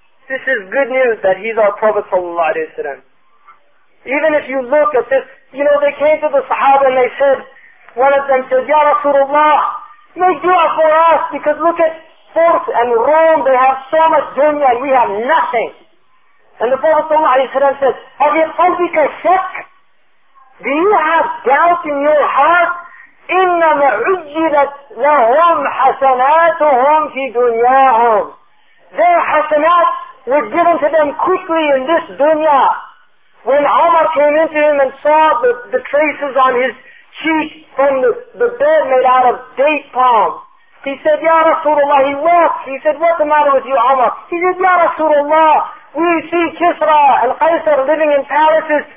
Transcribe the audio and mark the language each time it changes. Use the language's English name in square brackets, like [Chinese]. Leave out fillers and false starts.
[English] This is good news that He's our Prophet sallallahu alayhi wa sallam. Even if you look at this, you know, they came to the Sahaba and they said, one of them said, Ya Rasulullah, make dua for us, because look at Fars and Rome, they have so much dunya and we have nothing. And the Prophet ﷺ said, Have you felt shirk? Do you have doubt in your heart? [Arabic] إنما عجلت لهم حسناتهم في دنياهم. [English] Their حسنات were given to them quickly in this dunya. When Omar came into him and saw the traces on his cheek from the bed made out of date palms, he said, Ya Rasulullah, he wept. He said, what's the matter with you, Omar? He said, Ya Rasulullah, we see Kisra and Qaisar living in palaces.